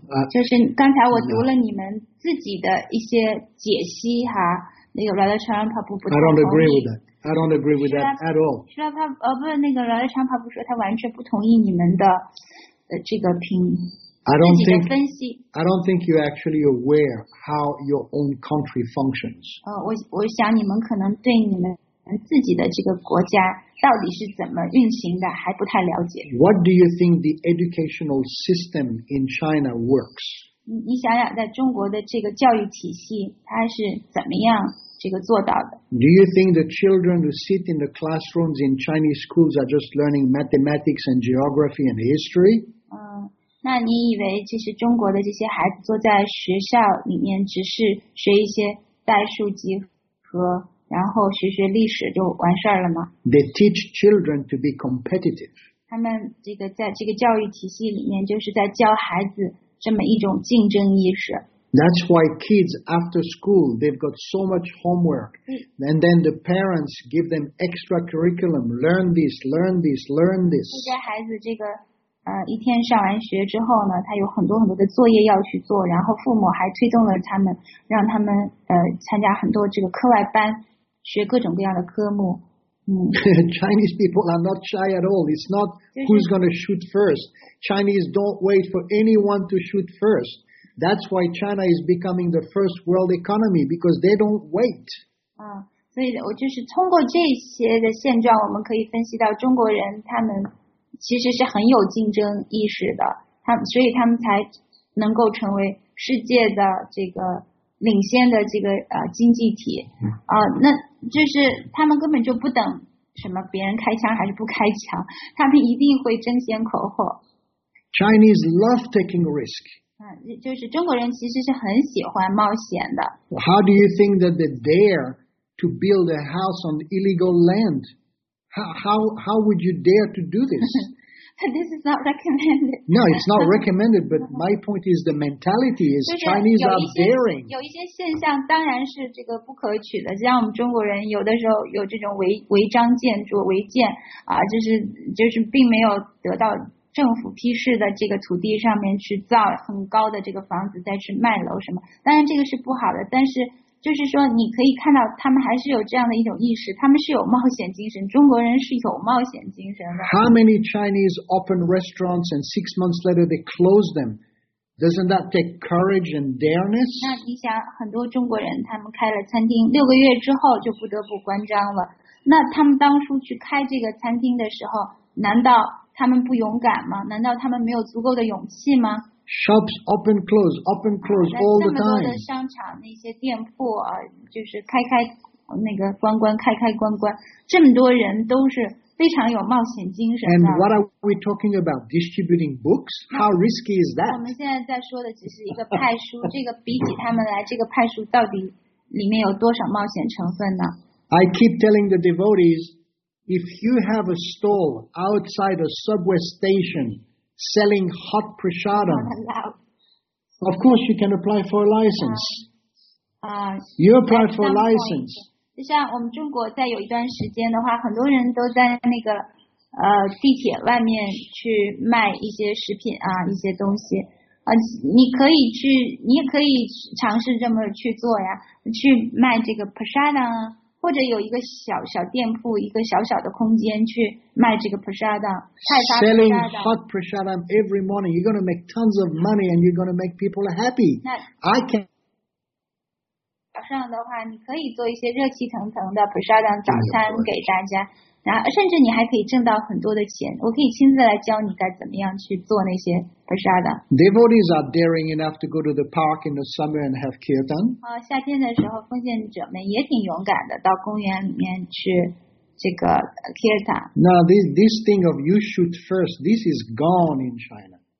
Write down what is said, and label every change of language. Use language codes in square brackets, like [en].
[zh] 就是刚才我读了你们自己的一些解析哈，那个 Radha Charan Prabhu 不太同意。 [en] I don't agree with that at all. [zh] 是啊，他不是那个 Radha Charan Prabhu 说他完全不同意你们的这个评自己的分析。 [en] I don't think you're actually aware how your own country functions. [zh] 我想你们可能对你们自己的这个国家到底是怎么运行的还不太了解。 [en] What do you think the educational system in China works? [zh] 你想想在中国的这个教育体系它是怎么样这个做到的。 [en] Do you think the children who sit in the classrooms in Chinese schools are just learning mathematics and geography and history? [zh] 那你以为其实中国的这些孩子坐在学校里面只是学一些代数集和然后学学历史就完事了吗？ [en] They teach children to be competitive. [zh] 他们这个在这个教育体系里面就是在教孩子这么一种竞争意识。 [en] That's why kids after school, they've got so much homework. And then the parents give them extra curriculum, learn this, learn this, learn this. [zh] 在孩子这个一天上完学之后呢，他有很多很多的作业要去做，然后父母还推动了他们，让他们参加很多这个课外班。学各种各样的科目。 [en] Chinese people are not shy at all. It's not who's going to shoot first. Chinese don't wait for anyone to shoot first. That's why China is becoming the first world economy because they don't wait. [zh] 所以我就是通过这些的现状，我们可以分析到中国人他们其实是很有竞争意识的，所以他们才能够成为世界的这个领先的这个经济体那就是他们根本就不等什么别人开枪还是不开枪，他们一定会争先恐后。 [en] Chinese love taking risk. [zh] 就是中国人其实是很喜欢冒险的。 [en] How do you think that they dare to build a house on illegal land? How would you dare to do this? This is not recommended. No, it's not recommended, but my point is the mentality is Chinese are daring. [zh] 有一些现象当然是这个不可取的，像我们中国人有的时候有这种违章建筑、违建就是并没有得到政府批示的这个土地上面去造很高的这个房子再去卖楼什么，当然这个是不好的，但是就是说你可以看到他们还是有这样的一种意识，他们是有冒险精神，中国人是有冒险精神的。 [en] How many Chinese open restaurants and 6 months later they close them? Doesn't that take courage and dareness? [zh] 那你想很多中国人他们开了餐厅六个月之后就不得不关张了，那他们当初去开这个餐厅的时候难道他们不勇敢吗？难道他们没有足够的勇气吗？ [en] Shops open close all the time. [zh] 那么多的商场，那些店铺啊，就是开开那个关关，开开关关，这么多人都是非常有冒险精神的。 [en] And what are we talking about? Distributing books? How risky is that? [zh] 我们现在在说的只是一个派书，这个比起他们来，这个派书到底里面有多少冒险成分呢？ [en] I keep telling the devotees, if you have a stall outside a subway station. Selling hot prasadam. Of course, you can apply for a license. You apply for a license. [zh] 就像我们中国在有一段时间的话，很多人都在那个地铁外面去卖一些食品啊，一些东西。你可以去，你也可以尝试这么去做呀，去卖这个prasadam，或者有一个小小店铺，一个小小的空间去卖这个 prasadam。 [en] Selling hot prasadam every morning, you're going to make tons of money and you're going to make people happy. 那 I can. [zh] 早上的话，你可以做一些热气腾腾的 prasadam 早餐给大家，然后甚至你还可以挣到很多的钱。我可以亲自来教你该怎么样去做那些 prasadam。 [en] Devotees are daring enough to go to the park in the summer and have kirtan. [zh] 夏天的时候，奉献者们也挺勇敢的，到公园里面去。这个 kirtan. [en] Now this thing of you shoot first, this is gone in China.